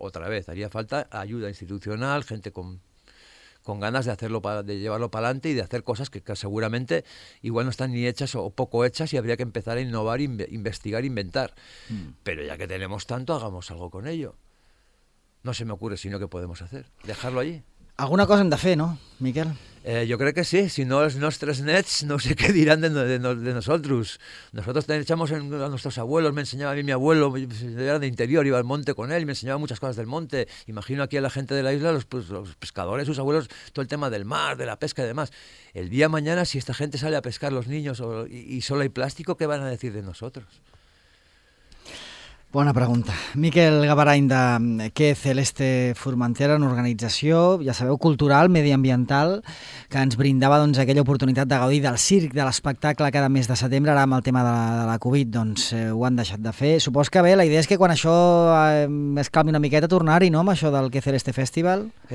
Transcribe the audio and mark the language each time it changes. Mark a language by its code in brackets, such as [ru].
[es] Otra vez, haría falta ayuda institucional, gente con ganas de hacerlo, de llevarlo para adelante y de hacer cosas que seguramente igual no están ni hechas o poco hechas, y habría que empezar a innovar, investigar, inventar. Pero ya que tenemos tanto, hagamos algo con ello. No se me ocurre sino que podemos hacer, dejarlo allí. [ca] Alguna cosa hem de fer, no, Miquel? [es] Yo creo que sí, [ca] si no els nostres nets no sé què diran de nosaltres. [es] Nosotros echamos a nuestros abuelos, me enseñaba a mí mi abuelo, yo era de interior, iba al monte con él, me enseñaba muchas cosas del monte. Imagino aquí a la gente de la isla, los pescadores, sus abuelos, todo el tema del mar, de la pesca y demás. El día de mañana, si esta gente sale a pescar, los niños, y solo hay plástico, ¿qué van a decir de nosotros? [ca] Bona pregunta. Miquel Gavarain de Què Celeste Formentera, una organització, ja sabeu, cultural, mediambiental, que ens brindava doncs aquella oportunitat de gaudir del circ, de l'espectacle cada mes de setembre. Ara amb el tema de la Covid, doncs ho han deixat de fer. Supos que bé, la idea és que quan això es calmi una miqueta, tornar-hi, no?, amb això del Què Celeste Festival.